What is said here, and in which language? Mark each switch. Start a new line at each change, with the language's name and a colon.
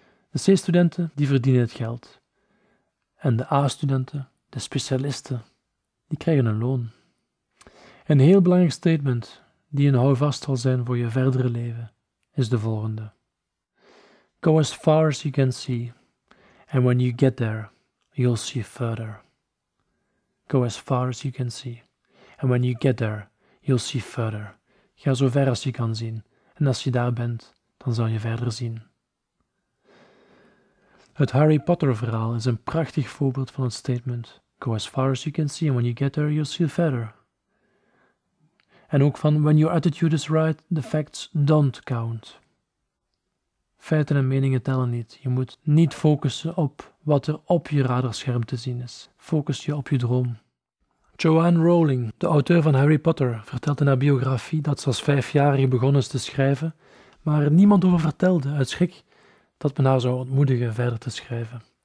Dutch: De C-studenten, die verdienen het geld. En de A-studenten, de specialisten, die krijgen een loon. Een heel belangrijk statement die een houvast zal zijn voor je verdere leven, is de volgende.
English: Go as far as you can see. And when you get there, you'll see further. Go as far as you can see. And when you get there, you'll see further.
Dutch: Ga zo ver als je kan zien. En als je daar bent, dan zal je verder zien. Het Harry Potter verhaal is een prachtig voorbeeld van het statement:
English: go as far as you can see, and when you get there, you'll see further.
Dutch: En ook van:
English: when your attitude is right, the facts don't count.
Dutch: Feiten en meningen tellen niet. Je moet niet focussen op wat er op je radarscherm te zien is. Focus je op je droom. Joanne Rowling, de auteur van Harry Potter, vertelt in haar biografie dat ze als 5-jarige begonnen is te schrijven, maar er niemand over vertelde, uit schrik, dat men haar zou ontmoedigen verder te schrijven.